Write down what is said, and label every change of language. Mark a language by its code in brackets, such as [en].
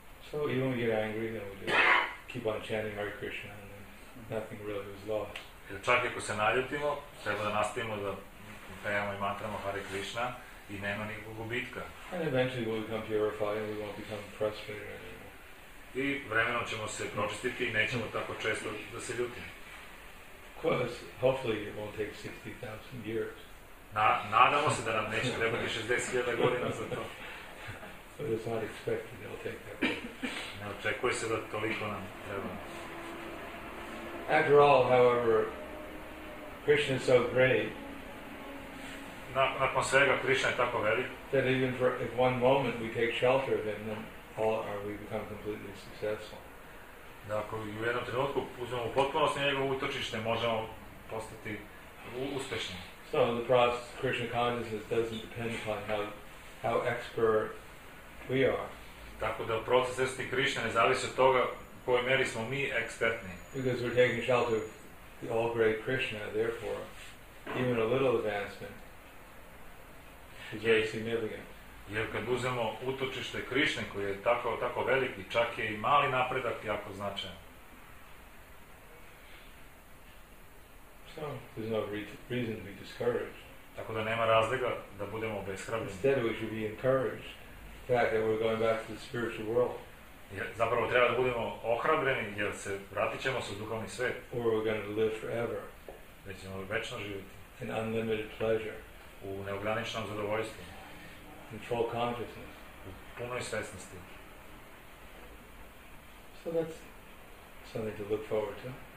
[en] So even we get angry, then we just keep on chanting Hare Krishna, and then nothing really was lost. [sr] Jer čak ako se naljutimo, treba da nastavimo da pejamo i mantramo Hare Krishna i nema nikakvog gubitka. [en] And eventually we'll become purified and we won't become frustrated anymore. [sr] I vremenom ćemo se pročistiti i nećemo tako često da se ljutimo. [en] Course, hopefully it won't take 60,000 years. [sr] Nadamo se da nam neće trebati 60,000 godina za to. [en] But it's not expected it'll take that long. [sr] Ne očekuje se da toliko nam treba. [en] After all, however, Krishna is so great. [sr] Nakon svega, Krishna je tako velik. [en] That even for if one moment we take shelter of him, then or we become completely successful. [sr] Ako u jednom trenutku uzmemo potpunosti njegovu utočište, možemo postati uspešni. [en] So the process of Krishna consciousness doesn't depend upon how expert we are. [sr] Tako da proces svesti Krishna ne zavisi od toga u kojoj meri smo mi ekspertni. [en] Because we're taking shelter of the all great Krishna, therefore, even a little advancement is very significant. [sr] Jer kad uzemo utočište Krišne koji je tako veliki, čak je i mali napredak jako značajan. [en] So there's no reason to be discouraged. [sr] Tako da nema razloga da budemo obeshrabreni. [en] Instead we should be encouraged. The fact that we're going back to the spiritual world. [sr] Zapravo treba da budemo ohrabreni jer se vratit ćemo se u duhovni svet. [en] Or we're going to live forever. [sr] Da ćemo večno živjeti. [en] In unlimited pleasure. [sr] U neograničenom zadovoljstvu. [en] In full consciousness. [sr] U punoj svesnosti. [en] So that's something to look forward to.